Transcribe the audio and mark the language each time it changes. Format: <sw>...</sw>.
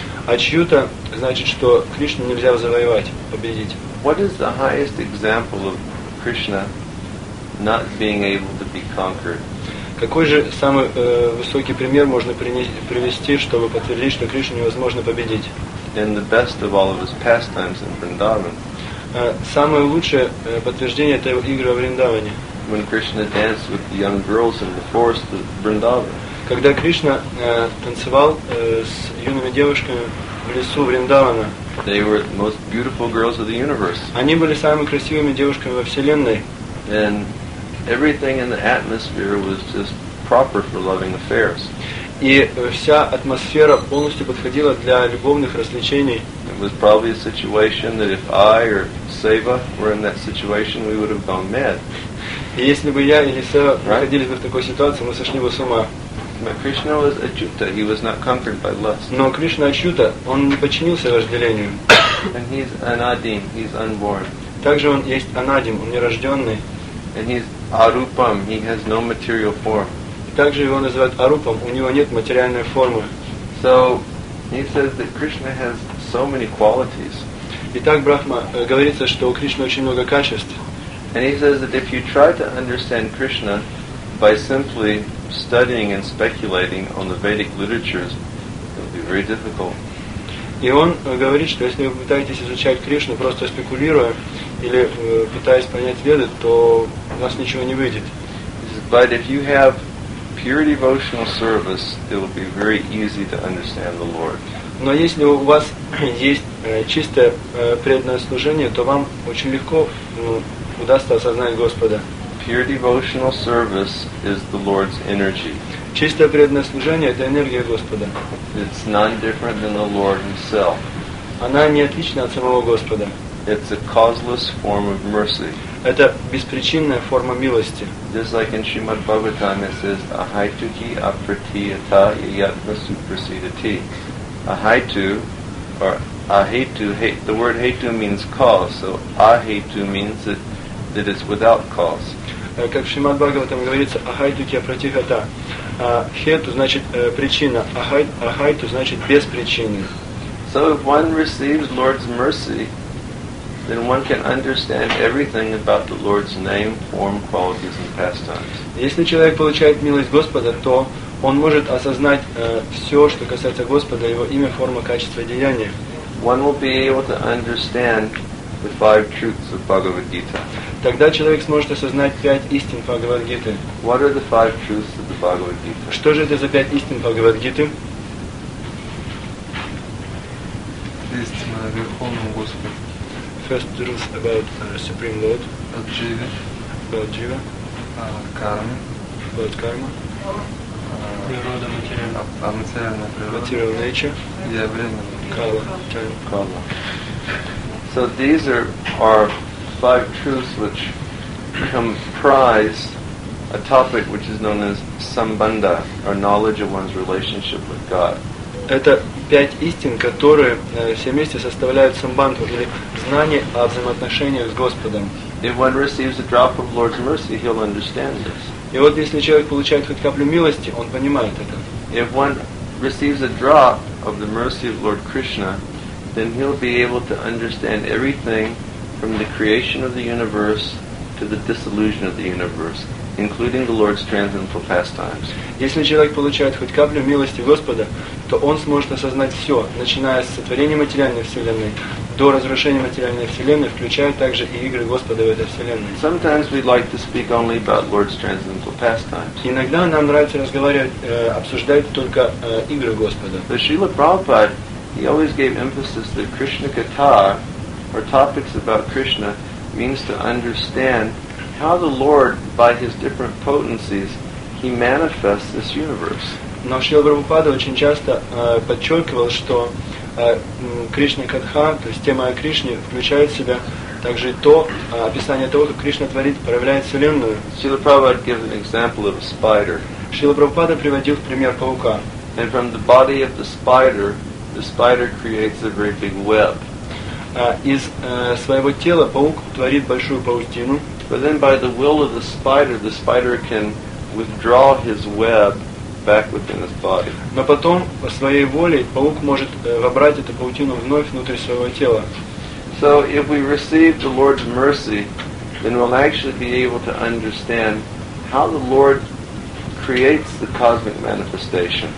<ru>Ачьюта значит, что Кришну нельзя завоевать, победить.</ru> <en>What is the highest example of Krishna not being able to be conquered?</en> <ru>Какой же самый высокий пример можно привести, чтобы подтвердить, что Кришну невозможно победить?</ru> <en>In the best of all of his pastimes in Vrindavan.</en> <ru>Самое лучшее подтверждение — это его игры во Вриндаване.</ru> <en>When Krishna danced with the young girls in the forest of Vrindavan.</en> <ru>Когда Кришна танцевал с юными девушками в лесу Вриндавана.</ru> <en>They were the most beautiful girls of the universe.</en> <ru>Они были самыми красивыми девушками во вселенной.</ru> <en>And everything in the atmosphere was just proper for loving affairs.</en> <ru>И вся атмосфера полностью подходила для любовных развлечений.</ru> <en>It was probably a situation that if I or Seva were in that situation, we would have gone mad.</en> <ru>Если бы я или Сева находились бы в такой ситуации, мы сошли бы с ума.</ru> <en>But Krishna was achyuta. He was not conquered by lust.</en> <ru>Но Кришна Ачюта, он не подчинился вожделению.</ru> <en>And he's anadim. He's unborn.</en> <ru>Также он есть анадим. Он нерожденный.</ru> <en>And he's arupam. He has no material form.</en> <ru>Также его называют арупом. У него нет материальной формы.</ru> <en>So he says that Krishna has so many qualities.</en> <ru>Итак, Брахма говорится, что у Кришны очень много качеств.</ru> <en>And he says that if you try to understand Krishna by simply studying and speculating on the Vedic literatures, it will be very difficult.</en> <ru>И он говорит, что если вы пытаетесь изучать Кришну просто спекулируя или пытаясь понять Веды, то у вас ничего не выйдет.</ru> <en>But if you have pure devotional service, it will be very easy to understand the Lord.</en> <ru>Но если у вас есть чистое преданное служение, то вам очень легко удастся осознать Господа.</ru> <en>Pure devotional service is the Lord's energy.</en> <ru>Чистое преданное служение — это энергия Господа.</ru> <en>It's none different than the Lord Himself.</en> <ru>Она не отлична от самого Господа.</ru> <en>It's a causeless form of mercy.</en> <ru>Это беспричинная форма милости.</ru> <en>Just like in Srimad Bhagavatam it says,</en> <sa>Ahaituki apratiyata yatna supersedati.</sa> <en>Ahaitu, or ahetu, the word hetu means cause, so ahetu means that it's without cause.</en> <ru>Как в Шримад Бхагаватам говорится,</ru> <sa>ахайтуки апратихата.</sa> <ru>Хету значит причина, ахайту значит без причины.</ru> <en>So if one receives Lord's mercy, then one can understand everything about the Lord's name, form, qualities and pastimes.</en> <ru>Если человек получает милость Господа, то он может осознать все, что касается Господа, его имя, форма, качество, деяния.</ru> <en>One will be able to understand the five truths of Bhagavad Gita.</en> <ru>Тогда человек сможет осознать пять истин Бхагавад Гиты.</ru> <en>What are the five truths of the Bhagavad Gita?</en> <ru>Что же это за пять истин Бхагавад Гиты? Истина о Верховном Господе.</ru> <en>First truth about Supreme Lord. About Jiva. About Jiva.</en> <ru>Карма.</ru> <en>About Karma.</en> <ru>Природа материальная. А материальная природа.</ru> <en>Material nature.</en> <ru>Явление. Кала. Кала.</ru> <en>So these are five truths which comprise a topic which is known as sambandha, or knowledge of one's relationship with God.</en> <ru>Это пять истин, которые все вместе составляют самбанду, или знание о взаимоотношениях с Господом.</ru> <en>If one receives a drop of Lord's mercy, he'll understand this.</en> <ru>И вот если человек получает хоть каплю милости, он понимает это.</ru> <en>If one receives a drop of the mercy of Lord Krishna, then he'll be able to understand everything from the creation of the universe to the dissolution of the universe, including the Lord's transcendental pastimes.</en> <ru>Если человек получает хоть каплю милости Господа, то он сможет осознать все, начиная с сотворения материальной вселенной до разрушения материальной вселенной, включая также и игры Господа в этой вселенной.</ru> <en>Sometimes we'd like to speak only about Lord's transcendental pastimes.</en> <ru>Иногда нам нравится обсуждать только игры Господа.</ru> <en>But Srila Prabhupada, he always gave emphasis that Krishna Katha, or topics about Krishna, means to understand how the Lord, by his different potencies, he manifests this universe.</en> <ru>Но Шрила Прабхупада очень часто подчеркивал, что Кришна Катха, то есть тема о Кришне, включает в себя также то описание того, как Кришна творит, проявляет вселенную.</ru> <en>Шрила Прабхупада gives an example of a spider.</en> <ru>Шрила Прабхупада приводил пример паука.</ru> <en>And from the body of the spider creates a very big web.</en> <ru>Из своего тела паук творит большую паутину.</ru> <en>But then by the will of the spider can withdraw his web back within his body.</en> <ru>Но потом по своей воле паук может вобрать эту паутину вновь внутрь своего тела.</ru> <en>So if we receive the Lord's mercy, then we'll actually be able to understand how the Lord creates the cosmic manifestation.</en>